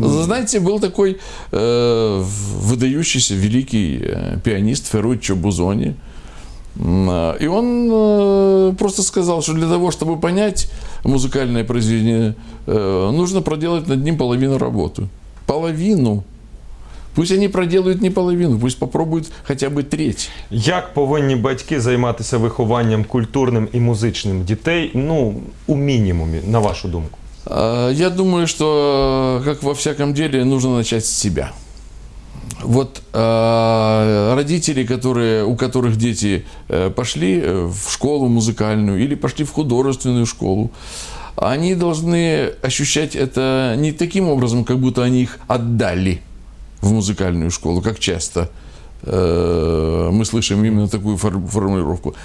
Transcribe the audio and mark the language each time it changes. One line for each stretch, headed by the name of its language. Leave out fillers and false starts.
Russian: Знаете, был такой выдающийся великий пианист Ферруччо Бузони, и он просто сказал, что для того, чтобы понять музыкальное произведение, нужно проделать над ним половину работы. Половину. Пусть они проделают не половину, пусть попробуют хотя бы треть.
Ukrainian: Як повинні батьки займатися вихованням культурним і музичним дітей, ну, у мінімумі, на вашу думку?
Russian: Я думаю, что, как во всяком деле, нужно начать с себя. Вот родители, у которых дети пошли в школу музыкальную или пошли в художественную школу, они должны ощущать это не таким образом, как будто они их отдали в музыкальную школу, как часто мы слышим именно такую формулировку.